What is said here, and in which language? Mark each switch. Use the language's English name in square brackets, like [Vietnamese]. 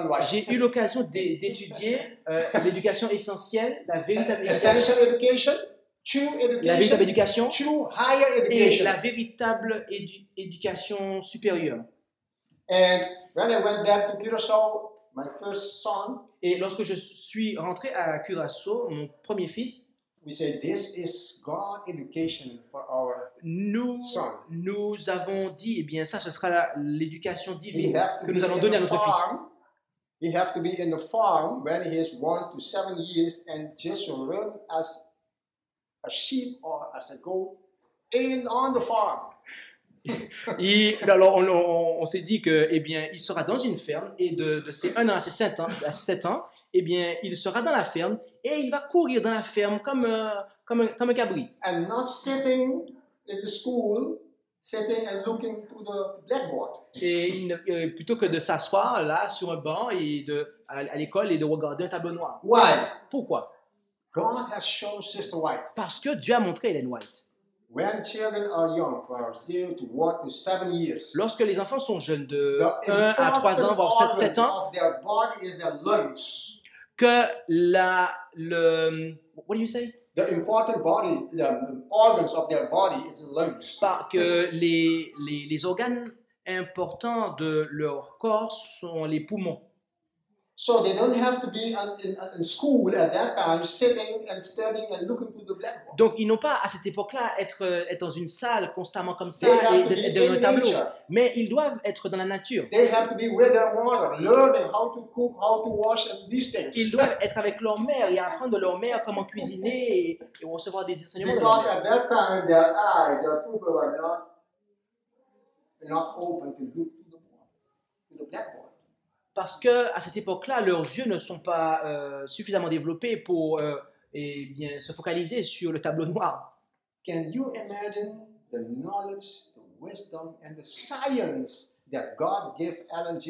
[French] J'ai eu l'occasion d'étudier l'éducation essentielle, la véritable [English] essential education, true education, [French] la véritable éducation, [English] true higher education, [French] et la véritable éducation supérieure. [English] And when I went back to Curaçao, my first son. [French] Et lorsque je suis rentré à Curaçao, mon premier fils, [English] we say, this is God education for our son. [French] Nous avons dit, eh bien, ça, ce sera l'éducation divine que nous allons donner à notre fils. [English] He have to be in the farm when he is 1 to 7 years and just run as a sheep or as a goat in on the farm. [French] Alors on s'est dit que il sera dans une ferme et de ses 1 an à ses 7 ans, il sera dans la ferme et il va courir dans la ferme comme un cabri. [English] And not sitting in the school, sitting and looking to the blackboard. [French] Et plutôt que de s'asseoir là sur un banc et à l'école et de regarder un tableau noir. [English] Why? [French] Pourquoi? [English] God has shown Sister White. [French] Parce que Dieu a montré Ellen White. [English] When children are young, from 0 to 1 to 7 years. [French] Lorsque les enfants sont jeunes de 1 à 3 ans, voire 7 ans. [English] Their body is their lungs. [French] Que la le [English] what do you say? The important body, the organs of their body is the lungs. [French] Parce que les organes importants de leur corps sont les poumons. [English] So they don't have to be in school at that time, sitting and studying and looking to the blackboard. [French] Donc ils n'ont pas à cette époque-là être dans une salle constamment comme ça et dans un tableau. Mais ils doivent être dans la nature. [English] They have to be with their mother, learning how to cook, how to wash and these things. [French] Ils doivent être avec leur mère et apprendre de leur mère comment cuisiner et recevoir des enseignements. [English] Because at that time their eyes, their pupils were not open to look to the blackboard. [French] Parce que à cette époque-là, leurs yeux ne sont pas suffisamment développés pour bien se focaliser sur le tableau noir. [English] Can you imagine the knowledge, the wisdom, and the science that God gave Ellen G.